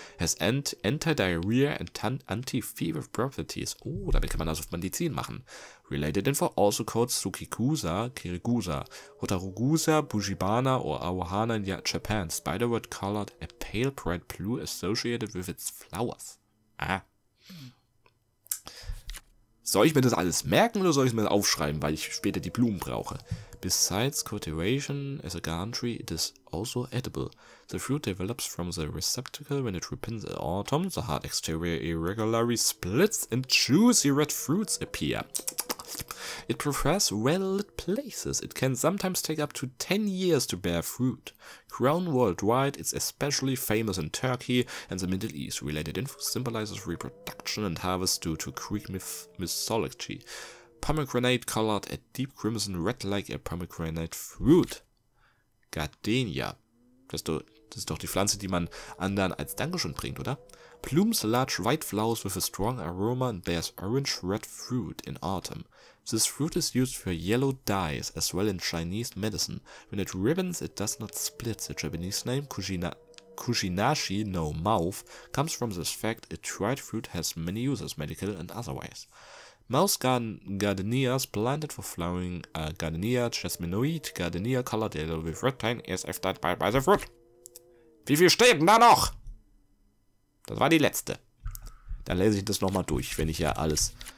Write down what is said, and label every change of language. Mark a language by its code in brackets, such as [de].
[en] Has anti-diarrhea and anti-fever properties. [de] Oh, damit kann man also Medizin machen. [en] Related info also called Tsukikusa, Kirigusa, Hotarugusa, Bujibana or Awahana in Japan. Spiderwort colored a pale bright blue associated with its flowers. Ah. [de] Soll ich mir das alles merken oder soll ich es mir aufschreiben, weil ich später die Blumen brauche? [en] Besides cultivation as a garden tree, it is also edible. The fruit develops from the receptacle when it ripens in autumn. The hard exterior irregularly splits and juicy red fruits appear. It prefers well-lit places. It can sometimes take up to 10 years to bear fruit. Grown worldwide, it's especially famous in Turkey and the Middle East. Related info symbolizes reproduction and harvest due to Greek mythology. Pomegranate colored a deep crimson red like a pomegranate fruit. Gardenia. [de] Das ist doch die Pflanze, die man anderen als Dankeschön bringt, oder? [en] Blooms large white flowers with a strong aroma and bears orange red fruit in autumn. This fruit is used for yellow dyes as well in Chinese medicine. When it ripens, it does not split. The Japanese name Kushinashi no mouth comes from this fact. A dried fruit has many uses, medical and otherwise. Most gardenias planted for flowering are gardenia jasminoid, gardenia colored yellow with red tine as if that by the fruit. [de] Wie viel steht da noch? Das war die letzte. Dann lese ich das nochmal durch, wenn ich ja alles...